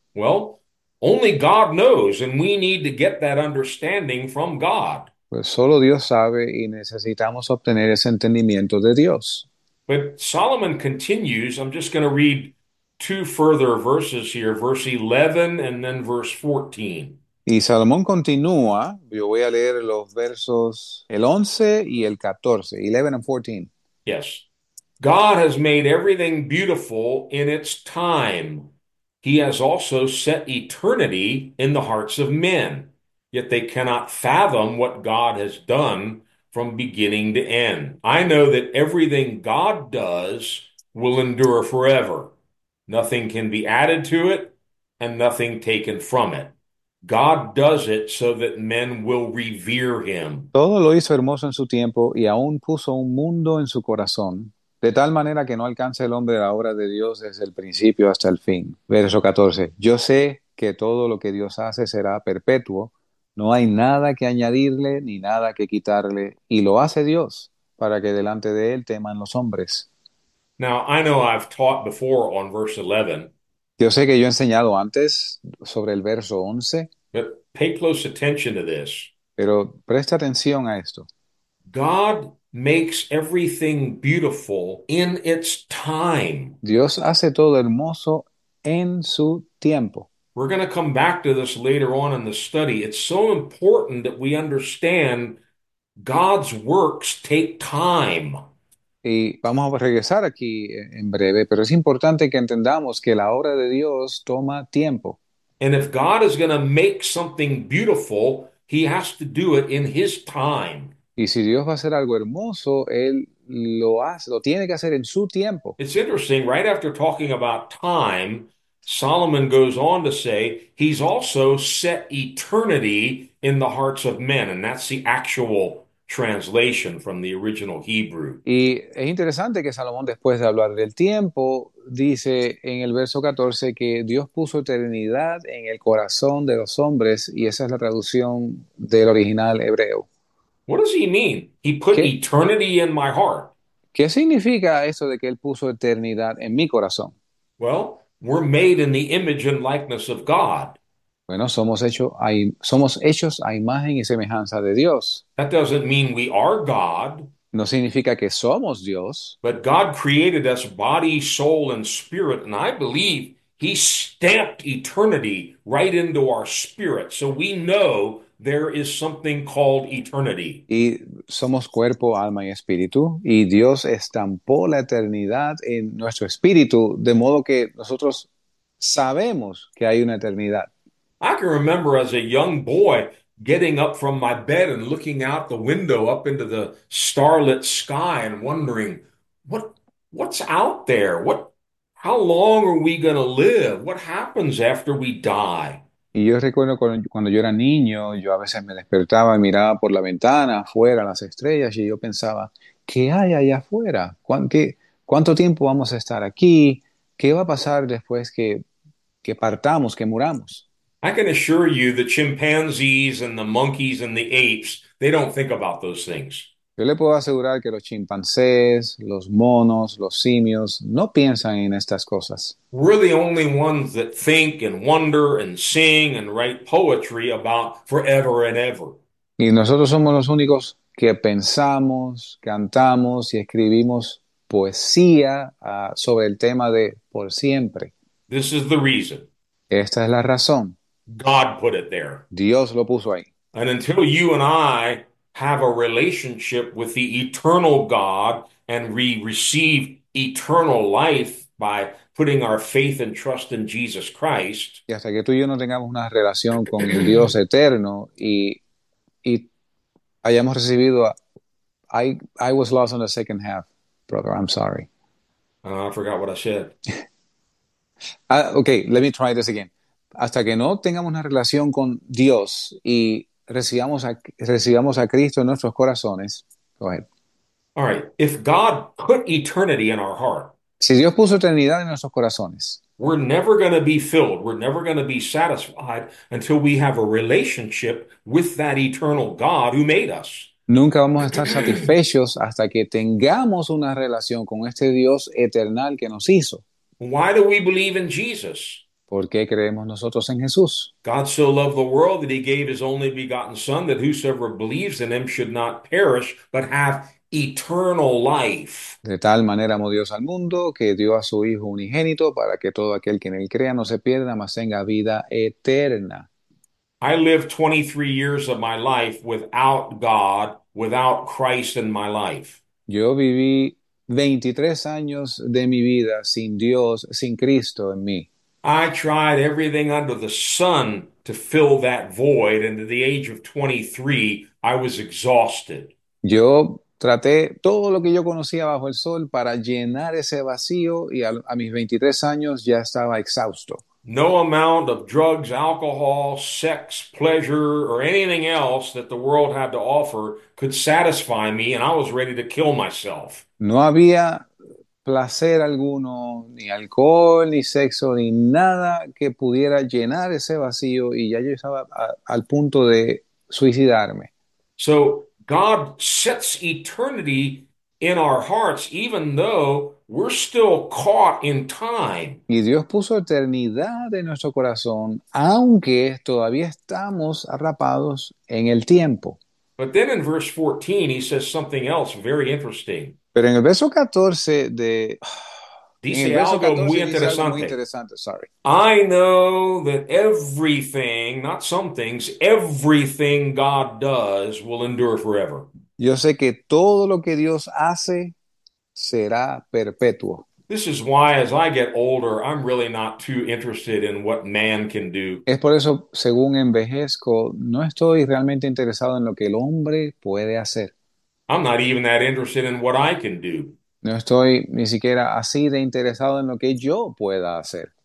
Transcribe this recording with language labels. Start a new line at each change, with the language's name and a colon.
English: Well, only God knows, and we need to get that understanding from God.
Spanish: Pues solo Dios sabe y necesitamos obtener ese entendimiento de Dios.
English: But Solomon continues. I'm just going to read two further verses here, verse 11 and then verse 14.
Spanish: Y Salomón continúa, yo voy a leer los versos el 11 y el 14,
English: 11 and 14. Yes. God has made everything beautiful in its time. He has also set eternity in the hearts of men, yet they cannot fathom what God has done from beginning to end. I know that everything God does will endure forever. Nothing can be added to it and nothing taken from it. God does it so that men will revere him.
Spanish: Todo lo hizo hermoso en su tiempo y aún puso un mundo en su corazón, de tal manera que no alcance el hombre la obra de Dios desde el principio hasta el fin. Verso 14. Yo sé que todo lo que Dios hace será perpetuo. No hay nada que añadirle ni nada que quitarle. Y lo hace Dios para que delante de él teman los hombres.
English: Now, I know I've taught before on verse 11,
Spanish: Yo sé que yo he enseñado antes sobre el verso 11.
English: but pay close attention to this.
Spanish: Pero presta atención a esto.
English: God makes everything beautiful in its time.
Spanish: Dios hace todo hermoso en su tiempo.
English: We're going to come back to this later on in the study. It's so important that we understand God's works take time.
Spanish: Y vamos a regresar aquí en breve, pero es importante que entendamos que la obra de Dios toma tiempo.
English: And if God is going to make something beautiful, he has to do it in his time.
Spanish: Y si Dios va a hacer algo hermoso, Él lo hace, lo tiene que hacer en su tiempo.
English: It's interesting, right after talking about time, Solomon goes on to say he's also set eternity in the hearts of men. And that's the actual translation from the original Hebrew.
Spanish: Y es interesante que Salomón, después de hablar del tiempo, dice en el verso 14 que Dios puso eternidad en el corazón de los hombres, y esa es la traducción del original hebreo.
English: What does he mean? He put
Spanish: ¿Qué
English: eternity in my heart.
Spanish: significa eso de que él puso eternidad en mi corazón?
English: Well, we're made in the image and likeness of God.
Spanish: Bueno, somos hechos a imagen y semejanza de Dios.
English: That doesn't mean we are God,
Spanish: No significa que somos Dios.
English: but God created us body, soul, and spirit, and I believe he stamped eternity right into our spirit, so we know. There is something called eternity.
Spanish: Y somos cuerpo, alma y espíritu, y Dios estampó la eternidad en nuestro espíritu, de modo que nosotros sabemos que hay una eternidad.
English: I can remember as a young boy getting up from my bed and looking out the window up into the starlit sky and wondering, what's out there? How long are we going to live? What happens after we die?
Spanish: Y yo recuerdo cuando yo era niño, yo a veces me despertaba y miraba por la ventana afuera las estrellas y yo pensaba, ¿qué hay allá afuera? ¿Cuánto tiempo vamos a estar aquí? ¿Qué va a pasar después que partamos, que muramos?
English: I can assure you the chimpanzees and the monkeys and the apes, they don't think about those things.
Spanish: Yo le puedo asegurar que los chimpancés, los monos, los simios no piensan en estas cosas.
English: We're the only ones that think and wonder and sing and write poetry about forever and ever.
Spanish: Y nosotros somos los únicos que pensamos, cantamos y escribimos poesía, sobre el tema de por siempre.
English: This is the reason.
Spanish: Esta es la razón.
English: God put it there.
Spanish: Dios lo puso ahí.
English: And until you and I have a relationship with the eternal God and we receive eternal life by putting our faith and trust in Jesus Christ,
Spanish: Y hasta que tú y yo no tengamos una relación con el Dios eterno y hayamos recibido a,
English: I was lost on the second half, brother. I'm sorry. I forgot what I said. Okay, let me try this again.
Spanish: Hasta que no tengamos una relación con Dios y recibamos a Cristo en nuestros corazones.
English: Go ahead. All right, if God put eternity in our heart,
Spanish: Si Dios puso eternidad en nuestros corazones.
English: we're never going to be filled, we're never going to be satisfied until we have a relationship with that eternal God who made us.
Spanish: Nunca vamos a estar satisfechos hasta que tengamos una relación con este Dios eternal que nos hizo.
English: Why do we believe in Jesus?
Spanish: ¿Por qué creemos nosotros en Jesús?
English: God so loved the world that he gave his only begotten son that whosoever believes in him should not perish, but have eternal life.
Spanish: De tal manera amó Dios al mundo que dio a su Hijo unigénito para que todo aquel que en él crea no se pierda, mas tenga vida eterna.
English: I lived 23 years of my life without God, without Christ in my life.
Spanish: Yo viví 23 años de mi vida sin Dios, sin Cristo en mí.
English: I tried everything under the sun to fill that void, and at the age of 23, I was exhausted.
Spanish: Yo traté todo lo que yo conocía bajo el sol para llenar ese vacío y a mis 23 años ya estaba exhausto.
English: No amount of drugs, alcohol, sex, pleasure, or anything else that the world had to offer could satisfy me, and I was ready to kill myself.
Spanish: No había placer alguno, ni alcohol, ni sexo, ni nada que pudiera llenar ese vacío y ya yo estaba al punto de suicidarme.
English: So God sets eternity in our hearts, even though we're still caught in time.
Spanish: Y Dios puso eternidad en nuestro corazón, aunque todavía estamos atrapados en el tiempo.
English: But then in verse 14, he says something else very interesting.
Spanish: Pero en el verso 14 de. En el Dice verso algo muy 14 dice algo muy interesante. Sorry.
English: I know that everything, not some things, everything God does will endure forever.
Spanish: Yo sé que todo lo que Dios hace será perpetuo.
English: This is why, as I get older, I'm really not too interested in what man can do.
Spanish: Es por eso, según envejezco, no estoy realmente interesado en lo que el hombre puede hacer.
English: I'm not even that interested in what I can do.
Spanish: No estoy ni siquiera así de interesado en lo que yo pueda hacer.